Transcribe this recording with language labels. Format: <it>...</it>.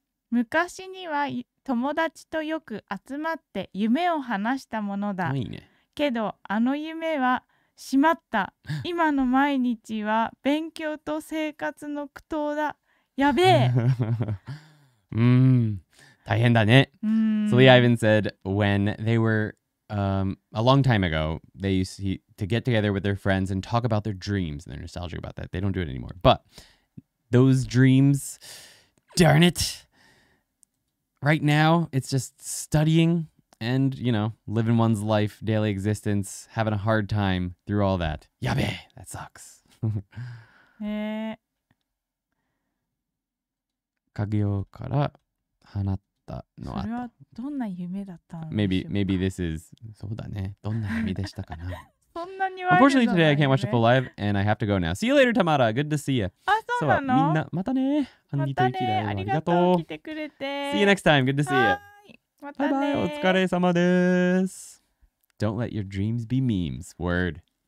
<ja>昔には友達とよく集まって夢を話したものだ。いいね。けどあの夢はしまった。今の毎日は勉強と生活の苦闘だ。やべえ。大変だね。</ja> <en>So Lee Ivan said when they were a long time ago, they used to get together with their friends and talk about their dreams and they're nostalgic about that. They don't do it anymore. But those dreams, darn it. Right now, it's just studying. And, you know, living one's life, daily existence, having a hard time through all that. Yabe! That sucks.</en> <ja>Kagyo kara hanatta no ato. それはどんな夢だったんでしょうか?</ja> <en>Maybe this is...</en> <ja>そうだね。どんな夢でしたかな? そんなにワイルドな夢?</ja> <en>Unfortunately, today I can't watch the full live, and I have to go now. See you later, Tamara! Good to see you!</en> <ja>あ、そうなの? みんな、またね! またね!ありがとう!来てくれて!</ja> <en>See you next time! Good to see you!</en> <ja>またね、お疲れ様です。</ja> <en>Don't let your dreams be memes. Word.</en>